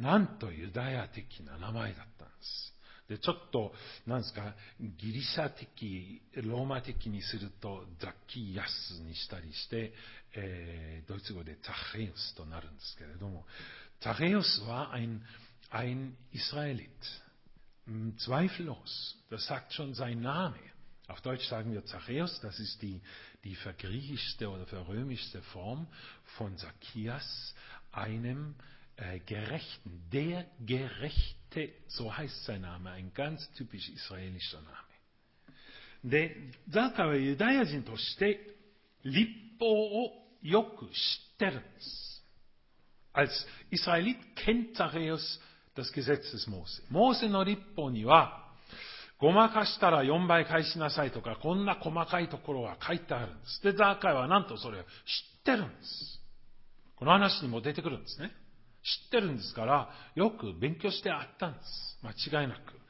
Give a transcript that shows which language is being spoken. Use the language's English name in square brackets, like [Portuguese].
[Japanese] なんとユダヤ的な名前だったんです。で、ちょっと、なんですか、ギリシャ的、ローマ的にするとザキアスにしたりして、ドイツ語でザヘウスとなるんですけれども、ザヘウスは [German] Ein Israelit, zweifellos, das sagt schon sein Name. Auf Deutsch sagen wir Zachäus, das ist die vergriechischste oder verrömischste Form von Zacchaeus, einem Gerechten, der Gerechte, so heißt sein Name, ein ganz typisch israelischer Name. [Japanese] で、ザカはユダヤ人として律法をよく知ってるんです。 [German] Als Israelit kennt Zachäus das Gesetz des Mose. [Japanese] Mose の律法には、ごまかしたら4倍返しなさいとか、こんな細かいところは書いてあるんです。で、ザーカイはなんとそれを知ってるんです。この話にも出てくるんですね。知ってるんですから、よく勉強してあったんです。間違いなく。